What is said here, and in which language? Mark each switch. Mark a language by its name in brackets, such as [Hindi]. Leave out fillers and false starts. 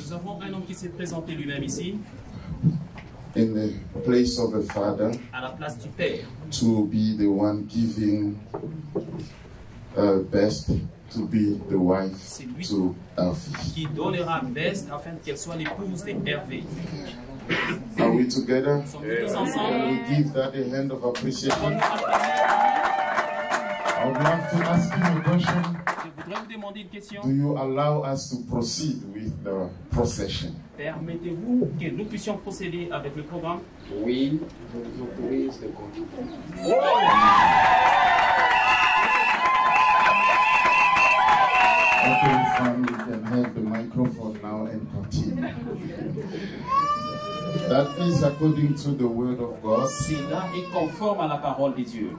[French] Nous avons un homme qui s'est présenté lui-même ici. [English] In the place of a father. [French] À la place du père. [English] To be the one giving best to be the wife to Hervé. [French] Qui donnera best afin qu'elle soit l'épouse de Hervé. [English] Are we together? [French] Yeah. Tous ensemble. [English] Can we give that a hand of appreciation? I would love to ask him a question. Do you allow us to proceed with the procession? [French] Permettez-vous que nous puissions procéder avec le programme? Oui, je vous autorise le conducteur. [English] Okay, fine, you can have the microphone now and continue. That is according to the word of God. [French] Cela est conforme à la parole de Dieu.